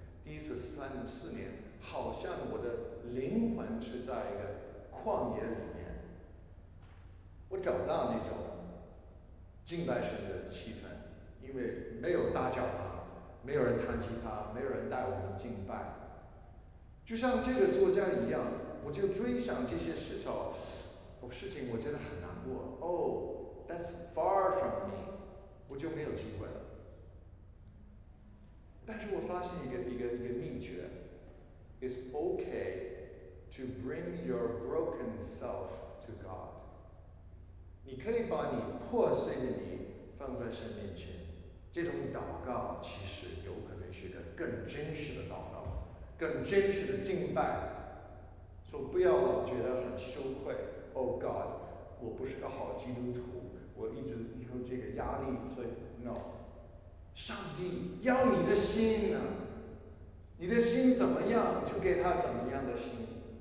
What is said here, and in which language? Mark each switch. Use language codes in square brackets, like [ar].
[zh] 第一次四年，好像我的灵魂是在一个旷野里面，我找到那种敬拜神的气氛，因为没有大教堂，没有人弹吉他，没有人带我们敬拜。就像这个作家一样，我就追想这些时候，哦，事情我真的很难过。 [en] Oh, that's far from me， [zh] 我就没有机会了。但是我发现一个秘诀 [en] ，It's okay to bring your broken self to God。 [zh] 你可以把你破碎的你放在神面前，这种祷告其实有可能是个更真实的祷告。更真实的敬拜，说不要老觉得很羞愧。 [en] Oh God， [zh] 我不是个好基督徒，我一直有这个压力，所以 No， 上帝要你的心呢、啊，你的心怎么样，就给他怎么样的心。